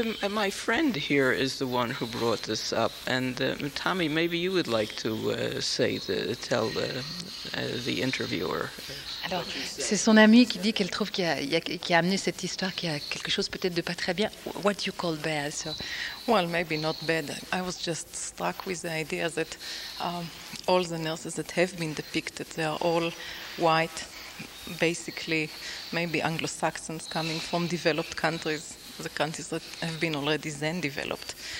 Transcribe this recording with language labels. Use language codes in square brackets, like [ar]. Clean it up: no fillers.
[en] My friend here is the one who brought this up. And Tommy, maybe you would like to tell the interviewer. [fr] Alors, c'est son amie qui dit qu'elle trouve qu'il y a amené cette histoire, qu'il y a quelque chose peut-être de pas très bien. [en] What do you call bad? So, well, maybe not bad. I was just struck with the idea that all the nurses that have been depicted, they are all white, basically maybe Anglo-Saxons coming from developed countries, the countries that have been already then developed.